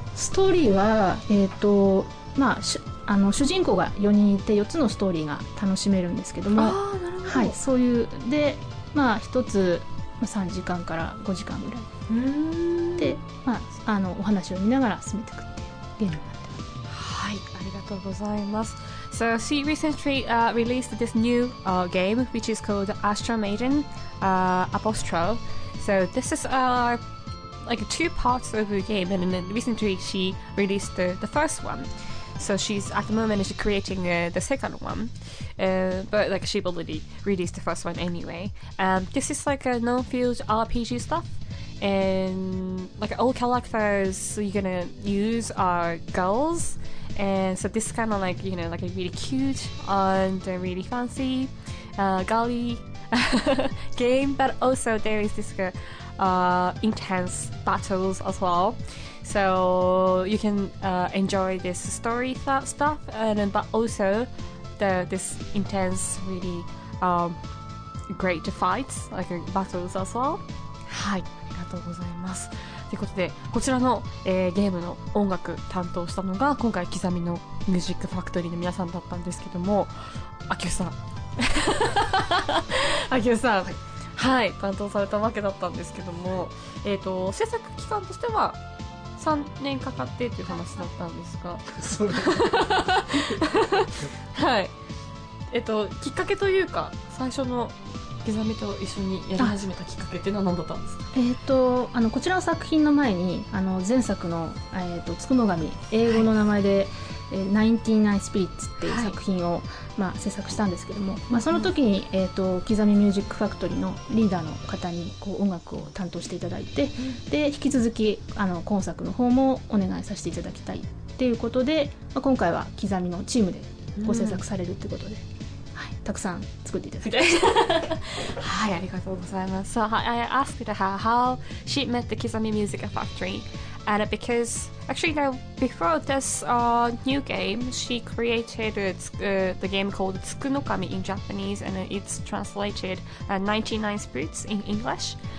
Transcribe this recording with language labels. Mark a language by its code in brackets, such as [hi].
[ja] ストーリーは、主人公が4人いて4つのストーリーが楽しめるんですけども。あ、なるほど。はい、そういうで、1つ3時間から5時間ぐらい。で、お話を見ながら進めていくっていうゲームになってます。はい、ありがとうございます。 [en] So she recently released this new game, which is called Astro Maiden Apostrophe. So this is like two parts of the game, and then recently she released the first one. So she's at the moment she's creating the second one, but like she already released the first one anyway. This is like a non-field RPG stuff, and like all characters you're gonna use are girls, and so this kind of like, you know, like a really cute and a really fancy girly game, but also there is this intense battles as well. So you can enjoy this story stuff, and but also this intense, really great fights, like battles as well. [ja] はい、ありがとうございます。ということで、こちらの、ゲームの音楽担当したのが今回刻みのミュージックファクトリーの皆さんだったんですけども、明夫さん、明夫さん、はい、担当されたわけだったんですけども、制作期間としては。 3年かかってっていう話だったんですが、はい、きっかけというか最初の刻みと一緒にやり始めたきっかけっていうのは何だったんですか？こちらの作品の前に前作の、つくも神英語の名前で、はい、99 Spirits っていう作品を、はい、制作したんですけども、まあ、その時に、刻みミュージックファクトリーのリーダーの方にこう音楽を担当していただいて、うん、で引き続き今作の方もお願いさせていただきたいっていうことで、まあ、今回は刻みのチームでご制作されるってことで、うん、たくさん作っていただきました。はい、ありがとうございます。 [en] So I asked her how she met the Kizami Music Factory, and because actually now before this new game, she created the game called Tsukunokami in Japanese, and it's translated 99 Spirits in English.